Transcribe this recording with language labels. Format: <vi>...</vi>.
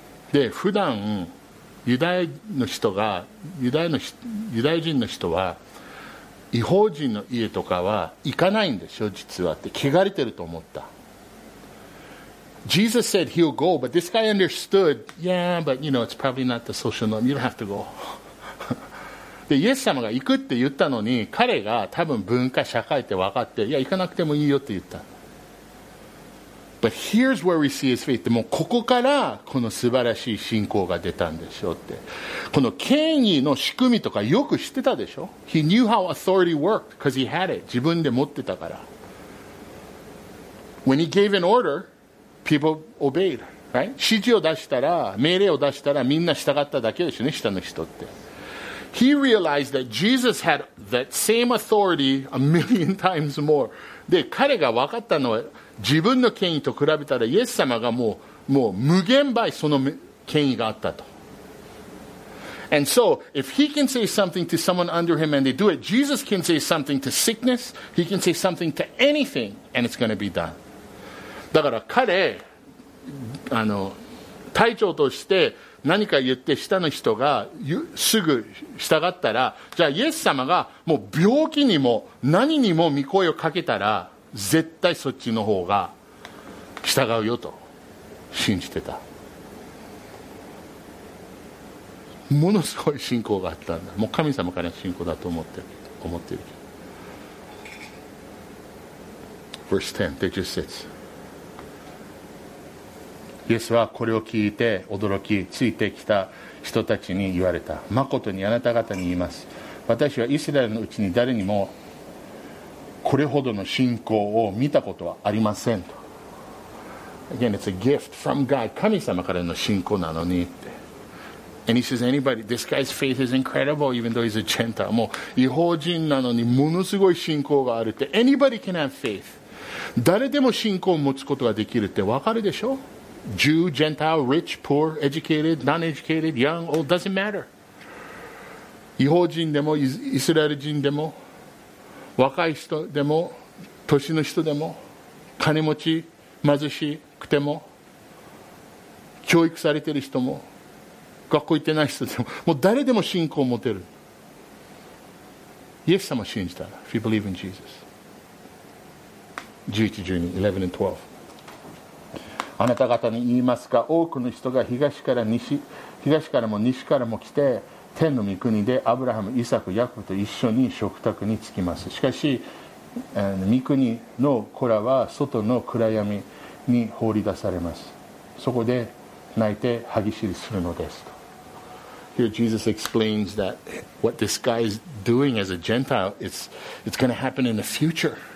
<ja>で、普段ユダヤの人がユダヤ人の人は異邦人の家とかは行かないんでしょ、実はって汚れてると思った。</ja> <en>Jesus said he'll go, but this guy understood, yeah, but you know, it's probably not the social norm, you don't have to go.</en> <ja>で、イエス様が行くって言ったのに、彼が多分文化社会って分かって、いや行かなくてもいいよって言った。</ja> <en>But here's where we see his faith.</en> <ja>もうここからこの素晴らしい信仰が出たんでしょって。この権威の仕組みとかよく知ってたでしょ。</ja> <en>He knew how authority worked because he had it.</en> <ja>自分で持ってたから。</ja> <en>When he gave an order, people obeyed, right?</en> <ja>指示を出したら、命令を出したらみんな従っただけでしょね、下の人って。</ja> <en>He realized that Jesus had that same authority a million times more.</en> <ja>で、彼が分かったのは、自分の権威と比べたらイエス様がもう無限倍その権威があったと。</ja> <en>And so, if he can say something to someone under him and they do it, Jesus can say something to sickness, he can say something to anything, and it's going to be done.</en> <ja>だから彼、あの、隊長として何か言って下の人がすぐ従ったら、じゃあイエス様がもう病気にも何にも御声をかけたら、絶対そっちの方が従うよと信じてた。ものすごい信仰があったんだ。もう神様からの信仰だと思ってる。</ja> <en>Verse 10, they just sit.</en> <ja>イエスはこれを聞いて驚き、ついてきた人たちに言われた。まことにあなた方に言います。私はイスラエルのうちに誰にもこれほどの信仰を見たことはありませんと。</ja> <en>Again, it's a gift from God.</en> <ja>神様からの信仰なのにって。</ja> <en>And he says, anybody, this guy's faith is incredible, even though he's a Gentile.</en> <ja>もう異邦人なのにものすごい信仰があるって。</ja> <en>Anybody can have faith.</en> <ja>誰でも信仰を持つことができるってわかるでしょ？</ja> <en>Jew, Gentile, rich, poor, educated, non-educated, young, old, doesn't matter.</en> <ja>異邦人でもイスラエル人でも若い人でも年の人でも金持ち貧しくても教育されてる人も学校行ってない人でも、もう誰でも信仰を持てる。イエス様を信じたら、</ja> <en>If you believe in Jesus. 11, 12, 11 and 12.</en> <ja>あなた方に言いますか、多くの人が東からも西からも来て、天の御国でアブラハム、イサク、ヤコブと一緒に食卓に着きます。しかし、御国の子らは外の暗闇に放り出されます。そこで泣いて歯ぎしりするのですと。</ja> <en>Here Jesus explains that what this guy is doing as a Gentile, it's going to happen in the future.</en>